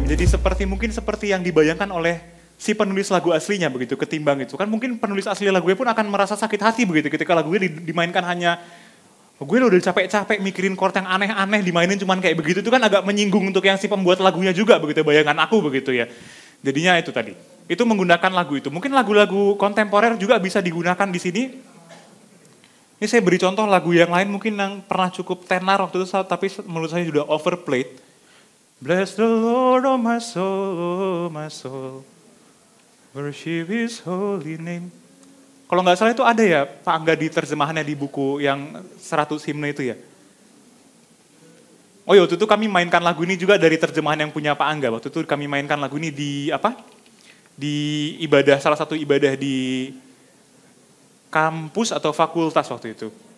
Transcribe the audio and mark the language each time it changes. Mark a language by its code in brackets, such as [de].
[id] Menjadi seperti mungkin seperti yang dibayangkan oleh si penulis lagu aslinya begitu, ketimbang itu. Kan mungkin penulis asli lagunya pun akan merasa sakit hati begitu ketika lagunya dimainkan hanya gue udah capek-capek mikirin chord yang aneh-aneh dimainin cuman kayak begitu, itu kan agak menyinggung untuk yang si pembuat lagunya juga begitu, bayangan aku begitu ya. Jadinya itu tadi. Itu menggunakan lagu itu. Mungkin lagu-lagu kontemporer juga bisa digunakan di sini. Ini saya beri contoh lagu yang lain mungkin yang pernah cukup tenar waktu itu tapi menurut saya sudah overplayed. [en] Bless the Lord, oh my soul, worship His holy name. [id] Kalau nggak salah itu ada ya, Pak Angga, di terjemahannya di buku yang 100 himne itu ya. Oh iya, waktu itu kami mainkan lagu ini juga dari terjemahan yang punya Pak Angga. Waktu itu kami mainkan lagu ini di apa? Di ibadah, salah satu ibadah di kampus atau fakultas waktu itu.